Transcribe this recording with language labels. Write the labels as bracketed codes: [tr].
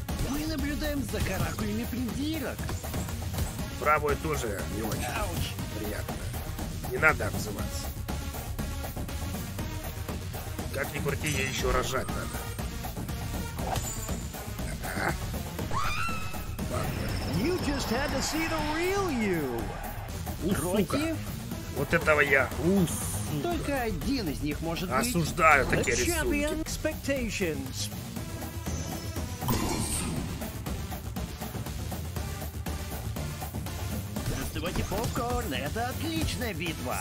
[ru] Мы наблюдаем за каракулями придирок. Правой тоже не очень. Ауч. Приятно. Не надо обзываться. Как ни крути, ей еще рожать надо. [en] You just had to see the real you. [ru] Сука. Вот этого я. Только один из них может быть. Осуждаю такие рисунки. Доставайте попкорн, это отличная битва.